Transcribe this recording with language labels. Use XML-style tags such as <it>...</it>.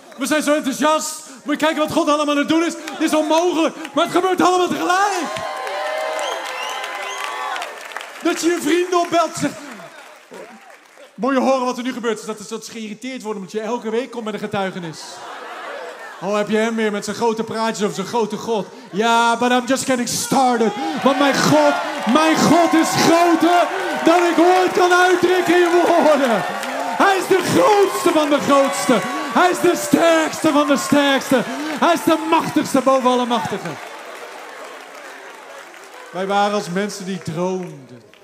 <nl>We zijn zo enthousiast. Moet je kijken wat God allemaal aan het doen is. Dit is onmogelijk, maar het gebeurt allemaal tegelijk. Dat je je vrienden opbelt. Moet je horen wat er nu gebeurt. Dat is geïrriteerd worden, omdat je elke week komt met een getuigenis. Oh, heb je hem weer met zijn grote praatjes over zijn grote God.</nl> <en>Ja, but I'm just getting started.</en> <nl>Want mijn God is groter dan ik ooit kan uitdrukken in woorden. Hij is de grootste van de grootste. Hij is de sterkste van de sterkste. Hij is de machtigste boven alle machtigen. Wij waren als mensen die droomden.</nl>